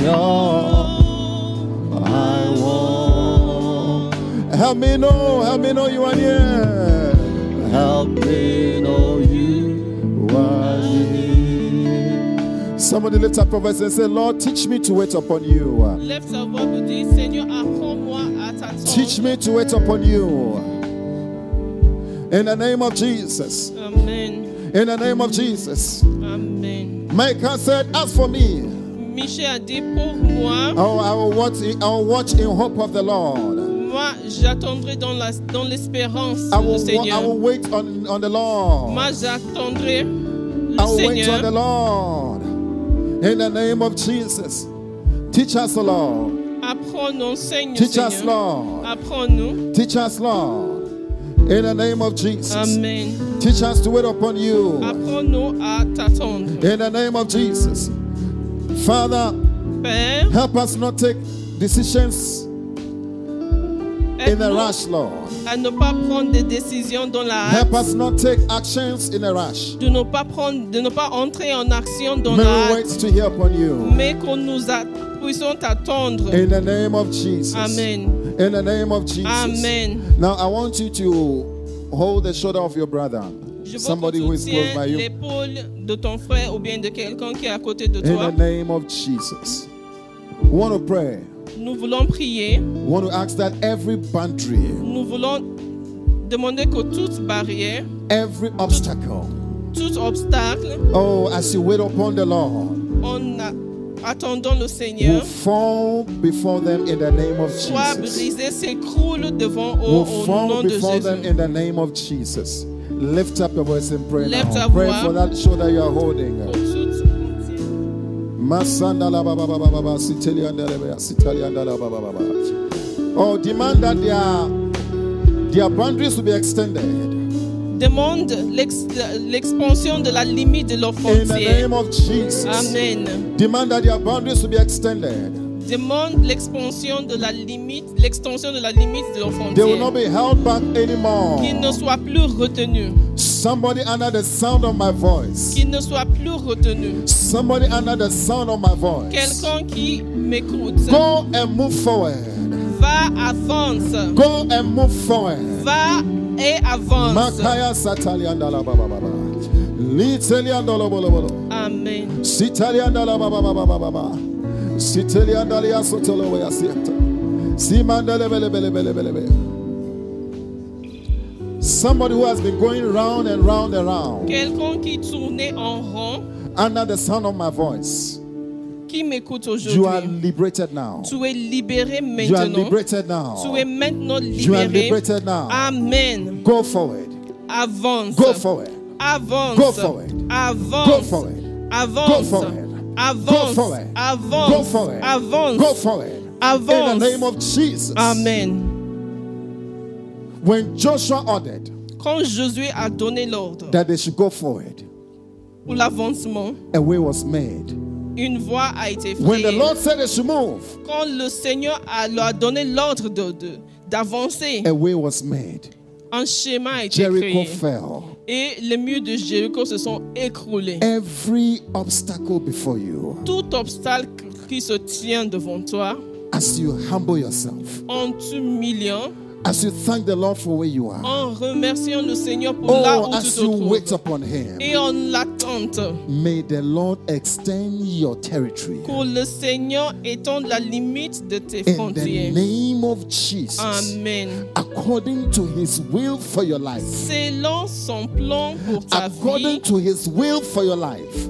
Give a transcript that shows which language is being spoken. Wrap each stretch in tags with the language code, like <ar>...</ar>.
<en>You're I want. Help me know. Help me know you are here. Help me know you are here. Somebody lift up your voice and say, Lord, teach me to wait upon you. Lift up what you do,</en> <fr>Seigneur, apprends-moi à t'attendre.</fr> <en>Teach me to wait upon you. In the name of Jesus. Amen. In the name of Jesus. Amen. Micah said, as for me,</en> <fr>Michel a dit pour moi,</fr> <en>I will watch in hope of the Lord.</en> <fr>Moi, j'attendrai dans l'espérance du Seigneur.</fr> <en>I will wait on the Lord.</en> <fr>Moi, j'attendrai le Seigneur.</fr> <en>I will wait on the Lord. In the name of Jesus. Teach us, Lord.</en> <fr>Apprends-nous, Seigneur.</fr> <en>Teach us, Lord.</en> <fr>Apprends-nous.</fr> <en>Teach us, Lord. In the name of Jesus. Amen. Teach us to wait upon you.</en> <fr>Apprends-nous à t'attendre.</fr> <en>In the name of Jesus. Father,</en> <fr>Père,</fr> <en>help us not take decisions in a rush, Lord.</en> <fr>À ne pas prendre des décisions dans la hâte.</fr> <en>Help us not take actions in a rush.</en> <fr>De ne pas entrer en action dans</fr> <en>May</en> <fr>la</fr> <en>we</en> <fr>hâte.</fr> <en>Wait to hear upon you.</en> <fr>Mais qu'on nous puissions t'attendre.</fr> <en>In the name of Jesus. Amen. In the name of Jesus. Amen. Now I want you to hold the shoulder of your brother. Je somebody who is close by you.</en> <fr>L'épaule de ton frère ou bien de quelqu'un qui est à côté de</fr> <en>in</en> <fr>toi.</fr> <en>In the name of Jesus. We want to pray.</en> <fr>Nous voulons prier.</fr> <en>We want to ask that every boundary.</en> <fr>Nous voulons demander que toute barrière.</fr> <en>Every obstacle.</en> <fr>Tout obstacle.</fr> <en>Oh, as you wait upon the Lord.</en> <fr>En attendant le Seigneur.</fr> <en>Will fall before them in the name of Jesus.</en> <fr>Soit brisé, s'écroule devant au nom de Jésus.</fr> <en>Will fall before them in the name of Jesus. Lift up your voice and pray. Lift now. Pray for that shoulder you are holding. Oh, demand that their boundaries will be extended.</en> <fr>Demande l'expansion de la limite de leurs frontières.</fr> <en>In the name of Jesus. Amen. Demand that their boundaries will be extended.</en> <fr>Demande l'extension de la limite de leurs frontières.</fr> <en>They will not be held back anymore.</en> <fr>Qu'ils ne soient plus retenus.</fr> <en>Somebody under the sound of my voice.</en> <fr>Qu'il ne soit plus retenu.</fr> <en>Somebody under the sound of my voice.</en> <fr>Quelqu'un qui m'écoute.</fr> <en>Go and move forward.</en> <fr>Va avance.</fr> <en>Go and move forward.</en> <fr>Va et avance. Makaya satalian dala ba ba ba ba. Litalian dala bolo bolo.</fr> <en>Amen. Sitalian dala ba ba ba ba ba ba ba. Sitalian dala ya sotolo ya siyata. Simandele bele bele bele bele bele. Somebody who has been going round and round and round.</en> <fr>Quelqu'un qui tournait en rond.</fr> <en>Under the sound of my voice.</en> <fr>Qui m'écoute aujourd'hui?</fr> <en>You are liberated now.</en> <fr>Tu es libéré maintenant.</fr> <en>You are liberated now.</en> <fr>Tu es maintenant libéré.</fr> <en>You are liberated now. Amen. Go forward.</en> <fr>Avance.</fr> <en>Go forward.</en> <fr>Avance.</fr> <en>Go forward.</en> <fr>Avance.</fr> <en>Go forward.</en> <fr>Avance.</fr> <en>Go forward.</en> <fr>Avance.</fr> <en>Go forward.</en> <fr>Avance.</fr> <en>Go forward.</en> <fr>Avance.</fr> <en>Go forward.</en> <fr>Avance.</fr> <en>In the name of Jesus. Amen. When Joshua ordered,</en> <fr>quand Josué a donné l'ordre,</fr> <en>that they should go forward,</en> <fr>pour l'avancement,</fr> <en>a way was made.</en> <fr>Une voie a été faite.</fr> <en>When the Lord said they should move,</en> <fr>quand le Seigneur leur a donné l'ordre d'avancer,</fr> <en>a way was made.</en> <fr>Un chemin a été</fr> <en>Jericho</en> <fr>créé.</fr> <en>Jericho fell.</en> <fr>Et les murs de Jéricho se sont écroulés.</fr> <en>Every obstacle before you,</en> <fr>tout obstacle qui se tient devant toi,</fr> <en>as you humble yourself,</en> <fr>en t'humiliant.</fr> <en>As you thank the Lord for where you are.</en> <fr>En remerciant le Seigneur pour là où tu te trouves.</fr> <en>As you wait upon him.</en> <fr>Et en l'attente.</fr> <en>May the Lord extend your territory.</en> <fr>Que le Seigneur étende la limite de tes frontières.</fr> <en>In the name of Jesus. Amen. According to his will for your life.</en> <fr>Selon son plan pour ta vie.</fr> <en>According to his will for your life.</en>